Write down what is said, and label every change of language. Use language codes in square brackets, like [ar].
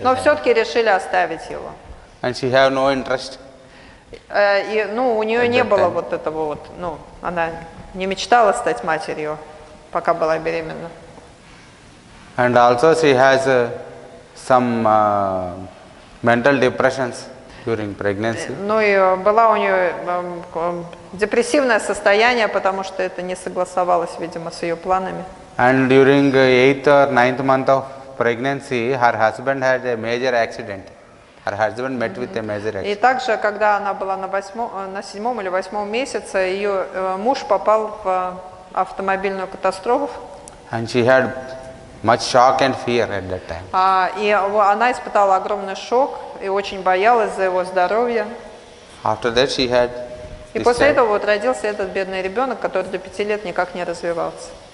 [ru] Но все-таки решили оставить его. [en] And she have no interest. [ru] У нее не было вот этого вот, она не мечтала стать матерью, пока была беременна. [en] And also she has some mental depressions during pregnancy. [ru] Ну и была у нее депрессивное состояние, потому что это не согласовалось, видимо, с ее планами. [en] And during 8th or 9th month of pregnancy, her husband had a major accident. Her husband met with a major accident. [ru] И также, когда она была на 7-м или 8-м месяце, ее муж попал в автомобильную катастрофу. [en] And she had much shock and fear at that time. [ru] И она испытала огромный шок и очень боялась за его здоровье. [en] After that she had. [ru] И после этого вот родился этот бедный ребенок, который до 5 лет никак не развивался.